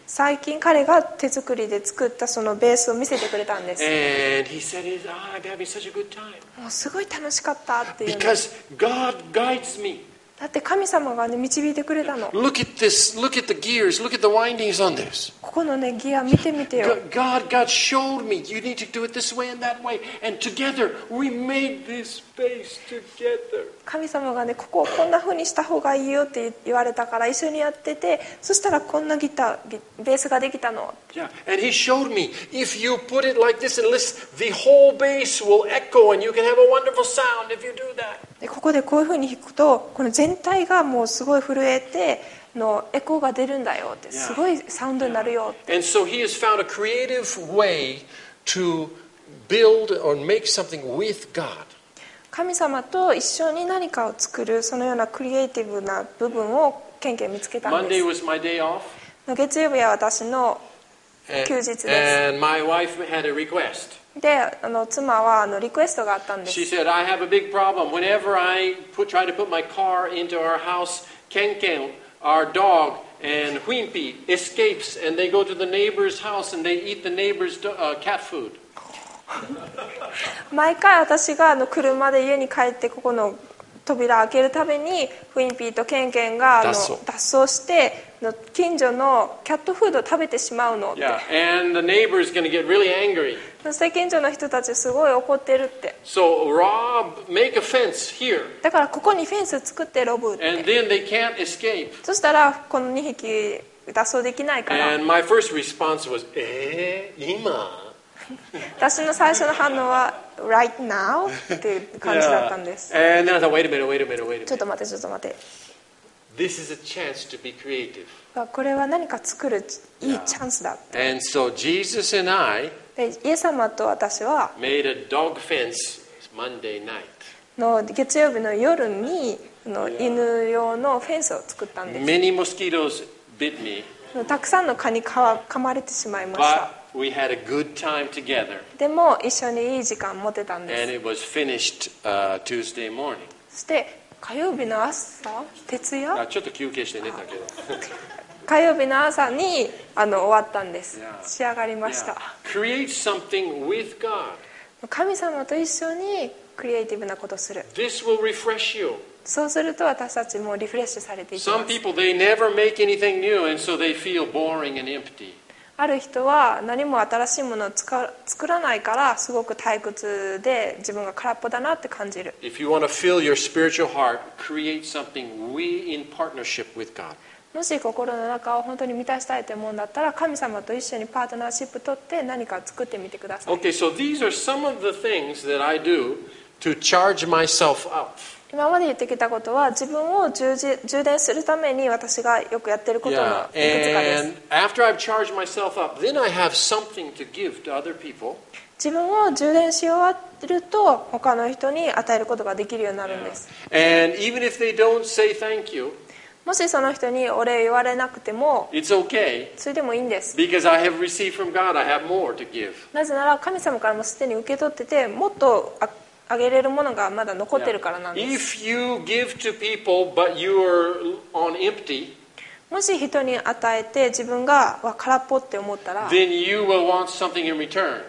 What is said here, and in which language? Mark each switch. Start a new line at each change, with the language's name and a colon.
Japanese: 最近彼が手作りで作ったそのベースを見せてくれたんです。
English: And he said, "Ah, I'm having such a good time."
Japanese: もうすごい楽しかったっていう。
English: Because God guides me.
Japanese: だって神様がね導いてくれたの。
English: Look at this. Look at the gears. Look at the windings on this.
Japanese: ここのねギア見てみてよ。
English: God showed me. You need to do it this way and that way. And together we made this space together.
Japanese: 神様がねここをこんな風にした方がいいよって言われたから一緒にやってて、そしたらこんなギターベースができたの。
English: Yeah. And he showed me if you put it like this and listen, the whole bass will echo and you can have a wonderful sound if you do that.
Japanese: でここでこういう風に弾くとこの全体がもうすごい震えてのエコーが出るんだよってすごいサウンドになるよって。
English: And so he has found a creative way to build or make something with God.
Japanese: 神様と一緒に何かを作るそのようなクリエイティブな部分をケンケン見つけたんです。
English: Monday was my day off.
Japanese: 月曜日は私の休日です。
English: And my wife had a request.
Japanese: で妻はリクエストがあったんです。
English: She said, I have a big problem. Whenever I try to put my car into our house, Ken Ken, our dog, and Whimpy escapes and they go to the neighbor's house and they eat the neighbor's cat food.
Japanese: 毎回私が車で家に帰ってここの扉を開けるためにウィンピーとケンケンが脱走して近所のキャットフードを食べてしまうのって。Yeah. そして近所の人たちすごい怒ってるって。
English: So, Rob, make a fence here.
Japanese: だからここにフェンス作ってロブって。
English: And then they can't escape.
Japanese: そしたらこの2匹脱走できないから。
English: And my first response was,
Japanese: 今? 私の最初の反応は
English: Right now?
Japanese: っていう感じだったんです。
English: yeah. And then I thought, wait a minute, wait a minute, wait a minute.
Japanese: ちょっと待って、ちょっと待って。
English: This is a chance to be creative.
Japanese: これは何か作るいいチャンスだって。
English: And so Jesus and I
Japanese: イエス様と私は
English: Made a dog fence Monday night.
Japanese: の月曜日の夜にの犬用のフェンスを作ったんです。
English: Many mosquitoes bit me.
Japanese: たくさんの蚊に噛まれてしまいました。
English: We had a good time together.
Japanese: でも一緒にいい時間持てたんです。
English: And it was finished, Tuesday morning.
Japanese: そして火曜日の朝、徹夜？あ、ちょっと休憩して寝たけど。火曜日の朝に終わったんです。 Yeah. 仕上がりました。
English: Yeah. Create something with God.
Japanese: 神様と一緒にクリエイティブなことをする。
English: This will refresh you.
Japanese: そうすると私たちもリフレッシュされていきます。
English: Some people, they never make anything new, and so they feel boring and empty.
Japanese: ある人は何も新しいものを作らないからすごく退屈で自分が空っぽだなって感じる。
English: If you want to fill your spiritual heart, create something we in partnership with God.
Japanese: もし心の中を本当に満たしたいと思うんだったら神様と一緒にパートナーシップ取って何か作ってみてください。
English: Okay, so these are some of the things that I do to charge myself up.
Japanese: 今まで言ってきたことは自分を充電するために私がよくやってることのいくつかです。
English: Yeah. And after I've charged myself up, then I have something to give to other people.
Japanese: 自分を充電し終わると他の人に与えることができるようになるんです。
English: Yeah. And even if they don't say thank you,
Japanese: もしその人にお礼言われなくても
English: It's okay.
Japanese: それでもいいんです。
English: Because I have received from God, I have more to give.
Japanese: なぜなら神様からもすでに受け取っててもっとあげれるものがまだ残ってるからなんです。
English: Yeah. If you give to people, but you're on empty,
Japanese: もし人に与えて自分が空っぽって思ったら
English: then you will want something in return.